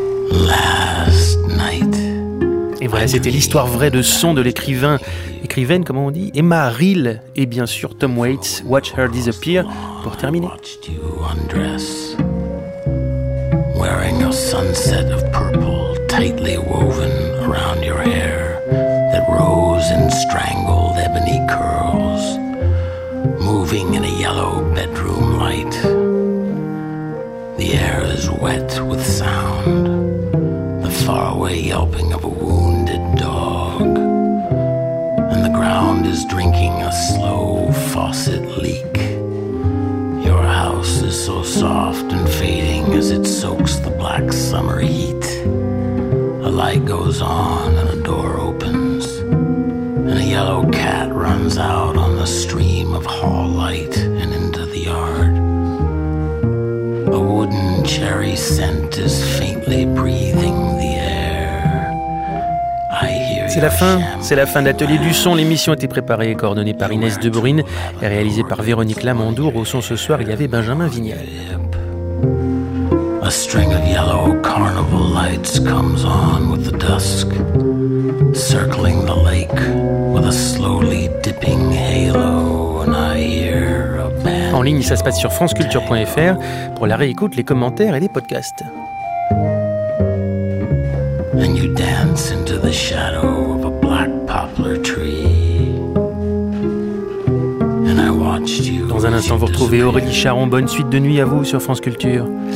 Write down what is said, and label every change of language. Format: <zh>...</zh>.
<en>Last night.</en> <fr>Et voilà, c'était l'histoire vraie de Son, de l'écrivain, écrivaine, comment on dit, Emma Reel, et bien sûr Tom Waits, Watch Her Disappear, pour terminer.</fr> <en>Watched you undress, wearing a sunset of purple tightly woven around your hair that rose in strangled ebony curls, moving in a yellow bedroom light. The air is wet with sound, the faraway yelping of a wounded dog, and the ground is drinking a slow faucet leak. Your house is so soft and fading as it soaks the black summer heat. A light goes on and a door opens, and a yellow cat runs out on the stream of hall light and into the yard. A wooden cherry scent is faintly breathing the air. I hear</en> <fr>C'est la fin. C'est la fin de l'Atelier du Son. L'émission a été préparée et coordonnée par Inès De Bruyne et réalisée par Véronique Lamandour. Au son ce soir, il y avait Benjamin Vignal.</fr> <en>A string of yellow carnival lights comes on with the dusk, circling the lake with a slowly dipping halo, and I hear.</en> <fr>En ligne, ça se passe sur franceculture.fr pour la réécoute, les commentaires et les podcasts.</fr> <en>And you dance into the shadow of a black poplar tree. And I watched you.</en> <fr>Dans un instant, vous retrouvez Aurélie Charron. Bonne suite de nuit à vous sur France Culture.</fr>